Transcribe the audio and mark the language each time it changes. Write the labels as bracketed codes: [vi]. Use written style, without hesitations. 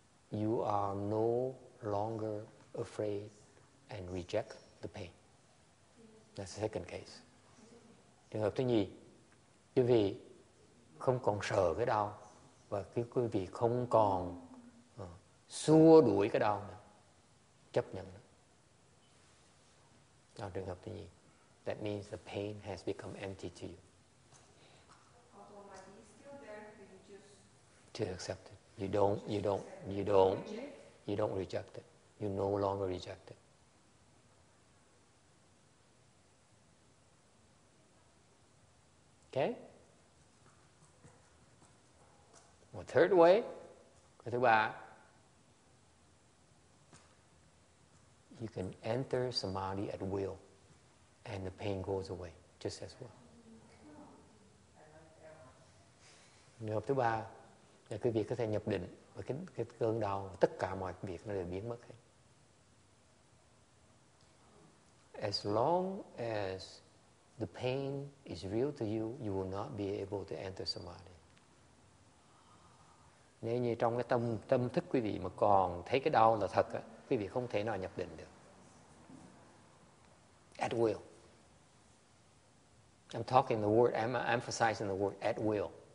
[en] You are no longer afraid and reject the pain. That's the second case. [vi] Trường hợp thứ nhì, quý vị không còn sợ cái đau và quý vị không còn xua đuổi cái đau nữa, chấp nhận nữa. Đó là trường hợp thứ nhì. [en] That means the pain has become empty to you. To accept it. You don't reject it. You no longer reject it. Okay. Well, third way, [vi] thứ ba, [en] you can enter samadhi at will, and the pain goes away just as well. [vi] Trường hợp thứ ba là cái việc có thể nhập định và cái cơn đau tất cả mọi việc nó đều biến mất hết. [en] As long as the pain is real to you, you will not be able to enter samadhi. [vi] Nếu như trong cái tâm thức quý vị mà còn thấy cái đau là thật á, quý vị không thể nào nhập định được. [en] At will. I'm talking the word, I'm emphasizing the word at will.